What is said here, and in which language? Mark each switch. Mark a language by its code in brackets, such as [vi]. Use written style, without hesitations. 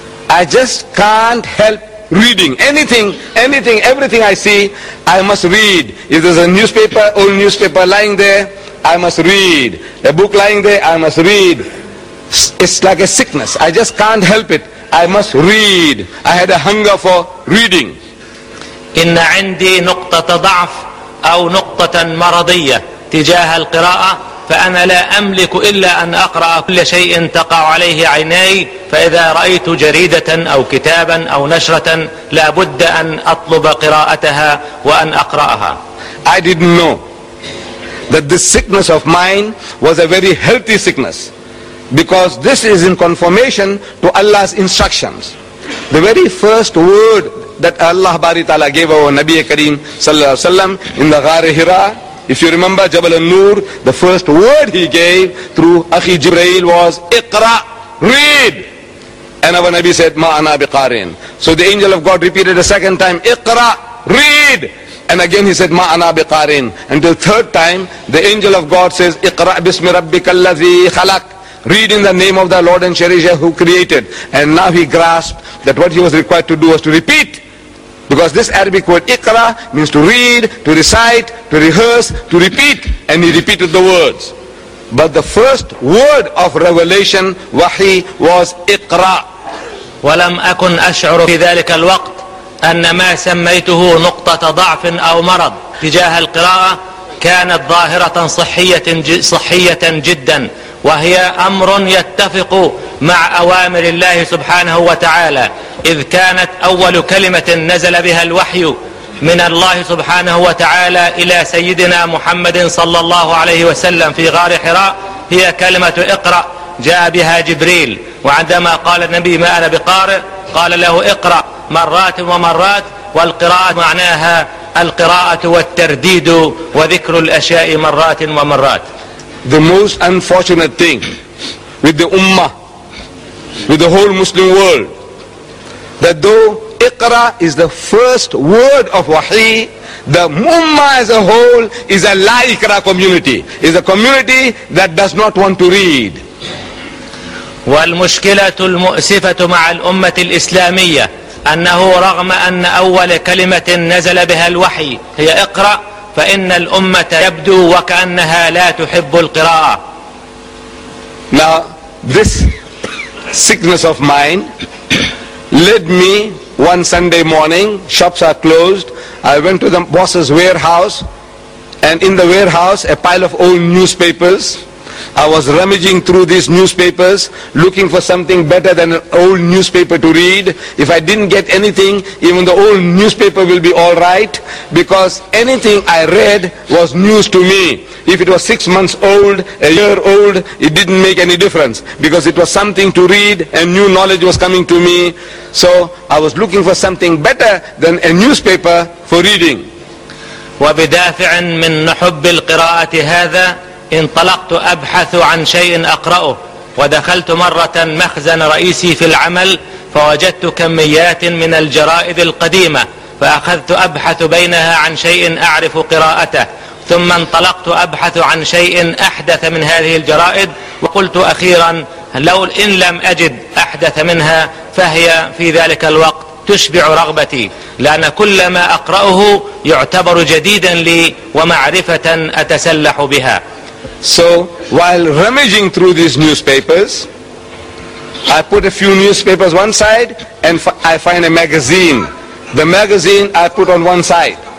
[en] I just can't help reading anything, everything I see, I must read. If there's a newspaper, old newspaper lying there, I must read. A book lying there, I must read. It's like a sickness. I just can't help it. I must read. I had a hunger for reading. [ar] إن عندي نقطة ضعف أو نقطة مرضية تجاه القراءة فأنا لا أملك إلا أن أقرأ كل شيء تقع عليه عيناي فإذا رأيت جريدة أو كتابا أو نشرة لا بد أن أطلب قراءتها وأن أقرأها. [en] I didn't know that this sickness of mine was a very healthy sickness, because this is in conformation to Allah's instructions. The very first word that Allah Bari Ta'ala gave our Nabi Kareem [ar] Sallallahu Alaihi Wasallam [en] in the Ghar Hira, if you remember Jabal al-Nur, the first word he gave through Akhi Jibreel was Iqra, read. And our Nabi said, [ar] Ma ana biqarin. [en] So the angel of God repeated a second time, Iqra, read. And again he said, [ar] Ma ana biqarin. [en] Until third time, the angel of God says, [ar] Iqra bismi rabbika alladhi khalaq. [en] Read in the name of the Lord and Cherisher who created. And now he grasped that what he was required to do was to repeat. Because this Arabic word Iqra means to read, to recite, to rehearse, to repeat. And he repeated the words. But the first word of revelation, Wahi, was Iqra. [ar] وَلَمْ أَكُنْ أَشْعُرُ فِي ذَلِكَ الْوَقْتِ أَنَّ مَا سَمَّيْتُهُ نُقْطَةَ ضَعْفٍ أَوْ مَرَضٍ تجاه القراءة كانت ظاهرة صحية جدا وهي أمر يتفق مع أوامر الله سبحانه وتعالى إذ كانت أول كلمة نزل بها الوحي من الله سبحانه وتعالى إلى سيدنا محمد صلى الله عليه وسلم في غار حراء هي كلمة اقرأ جاء بها جبريل وعندما قال النبي ما أنا بقارئ قال له اقرأ مرات ومرات والقراءة معناها القراءة والترديد وذكر الأشياء مرات ومرات. [en] The most unfortunate thing with the Ummah, with the whole Muslim world, that though Iqra is the first word of Wahi, the Ummah as a whole is a La Iqra community, is a community that does not want to read. [ar] والمشكلة المؤسفة مع الأمة الإسلامية أنه رغم أن أول كلمة نزل بها الوحي هي اقرأ فإن الأمة يبدو وكأنها لا تحب القراءة. [en] Now this sickness of mine led me one Sunday morning, shops are closed, I went to the boss's warehouse, and in the warehouse a pile of old newspapers. I was rummaging through these newspapers, looking for something better than an old newspaper to read. If I didn't get anything, even the old newspaper will be all right, because anything I read was news to me. If it was 6 months old, a year old, it didn't make any difference, because it was something to read and new knowledge was coming to me. So I was looking for something better than a newspaper for reading. [ar] وبدافع من نحب القراءة هذا انطلقت أبحث عن شيء أقرأه ودخلت مرة مخزن رئيسي في العمل فوجدت كميات من الجرائد القديمة فأخذت أبحث بينها عن شيء أعرف قراءته ثم انطلقت أبحث عن شيء أحدث من هذه الجرائد وقلت أخيرا لو إن لم أجد أحدث منها فهي في ذلك الوقت تشبع رغبتي، لأن كل ما أقرأه يعتبر جديدا لي ومعرفة أتسلح بها. [en] So while rummaging through these newspapers, I put a few newspapers one side and I find a magazine. The magazine I put on one side.